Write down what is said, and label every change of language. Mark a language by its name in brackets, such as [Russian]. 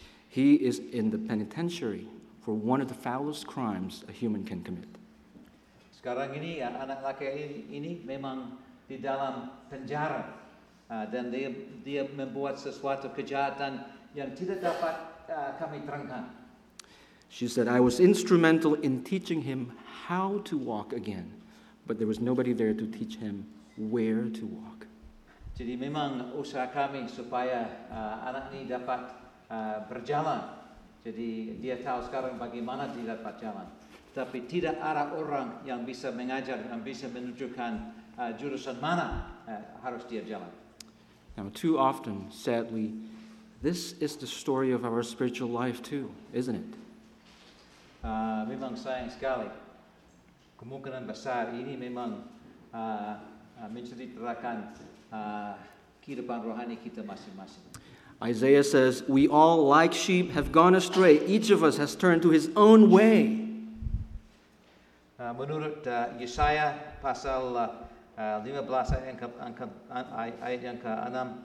[English] He is in the penitentiary for one of the foulest crimes a human can commit. [Indonesian] Sekarang ini anak laki ini memang di dalam penjara, dan dia membuat sesuatu kejahatan yang tidak dapat kami terangkan. [English] She said, "I was instrumental in teaching him how to walk again, but there was nobody there to teach him where to walk." [Indonesian] Jadi memang usaha kami supaya anak ini dapat berjalan. Jadi dia tahu sekarang bagaimana dia dapat jalan. Tapi tidak ada orang yang bisa mengajar dan bisa menunjukkan jurusan mana harus dia jalan. [English] Now, too often, sadly, this is the story of our spiritual life too, isn't it? [Indonesian] Memang sayang sekali. Kemungkinan besar ini memang menceritakan kehidupan rohani kita masing-masing. [English] Isaiah says, "We all, like sheep, have gone astray. Each of us has turned to his own way." [Indonesian] Menurut Yesaya pasal 15 ayat yang ke-6.